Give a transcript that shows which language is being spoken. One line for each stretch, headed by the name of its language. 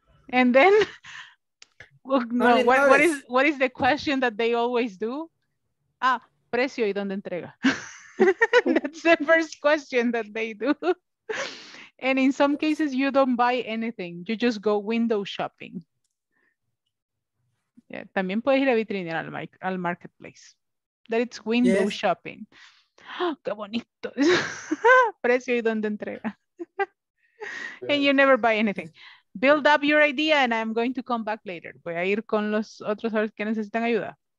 English: And then what is the question that they always do?
Spanish: Ah, precio y dónde entrega.
English: That's the first question that they do. And in some cases, you don't buy anything. You just go window shopping.
Spanish: Yeah, también puedes ir a vitrina al marketplace.
English: That it's window yes. shopping.
Spanish: Oh, qué bonito. Precio y donde entrega.
English: And you never buy anything. Build up your idea and I'm going to come back later.
Spanish: Voy a ir con los otros que necesitan ayuda.